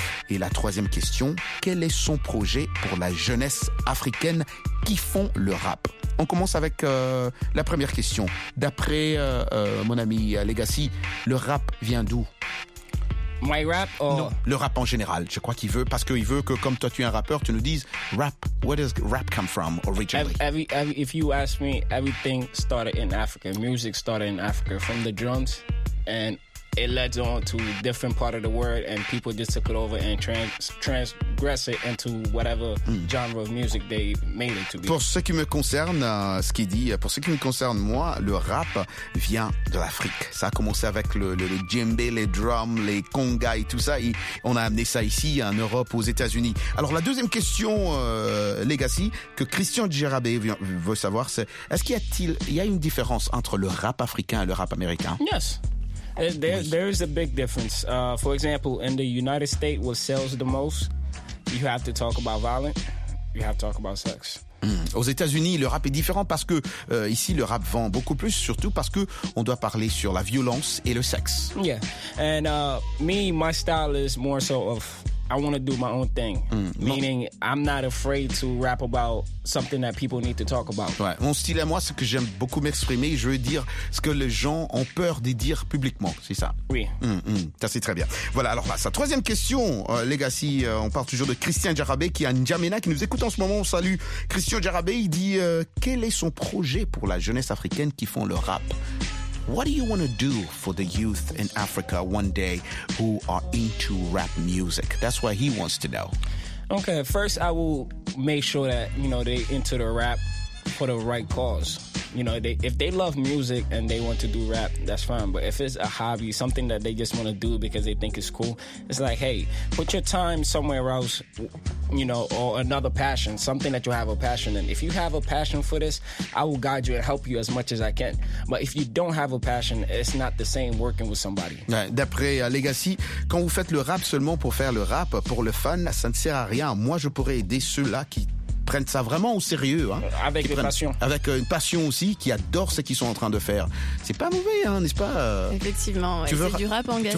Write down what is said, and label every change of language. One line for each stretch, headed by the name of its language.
French: Et la troisième question, quel est son projet pour la jeunesse africaine qui font le rap? On commence avec la première question. D'après mon ami Legacy, le rap vient d'où?
English: My rap or...
French: Non, le rap en général. Je crois qu'il veut, parce qu'il veut que, comme toi, tu es un rappeur, tu nous dises rap.
English: Where does rap come from originally? If you ask me, everything started in Africa. Music started in Africa from the drums and it led on to a different part of the world, and people just took it over and transgress it into whatever genre of music they made it to be.
French: Pour ce qui me concerne, ce qui dit, pour ce qui me concerne, moi, le rap vient de l'Afrique. Ça a commencé avec le djembe, les drums, les congas et tout ça. Et on a amené ça ici, en Europe, aux États-Unis. Alors, la deuxième question, Legacy, que Christian Djerabé veut savoir, c'est est-ce qu'il y a une différence entre le rap africain et le rap américain?
English: Yes. There is a big difference. For example, in the United States, what sells the most, you have to talk about violence, you have to talk about sex.
French: Aux États-Unis, le rap est différent parce que ici, le rap vend beaucoup plus, surtout parce que on doit parler sur la violence et le sexe.
English: Yeah, and me, my style is more so of I want to do my own thing, meaning I'm not afraid to rap about something that people need to talk about.
French: Ouais. Mon style à moi, c'est que j'aime beaucoup m'exprimer. Je veux dire ce que les gens ont peur de dire publiquement, c'est ça. Oui. Ça, c'est très bien. Voilà, alors là, sa troisième question, Legacy, on parle toujours de Christian Djerabé qui est à N'Djamena, qui nous écoute en ce moment. On salue Christian Djerabé. Il dit, quel est son projet pour la jeunesse africaine qui font le rap?
English: What do you want to do for the youth in Africa one day who are into rap music? That's what he wants to know. Okay, first I will make sure that, you know, they into the rap for the right cause. You know, if they love music and they want to do rap, that's fine. But if it's a hobby, something that they just want to do because they think it's cool, it's like, hey, put your time somewhere else, you know, or another passion, something that you have a passion in. If you have a passion for this, I will guide you and help you as much as I can. But if you don't have a passion, it's not the same working with somebody.
French: D'après Legacy, quand vous faites le rap seulement pour faire le rap, pour le fun, ça ne sert à rien. Moi, je pourrais aider ceux-là qui prennent ça vraiment au sérieux. Hein, avec une passion. Avec une passion aussi, qui adore ce qu'ils sont en train de faire. C'est pas mauvais, hein, n'est-ce pas? Effectivement, ouais. C'est du rap engagé.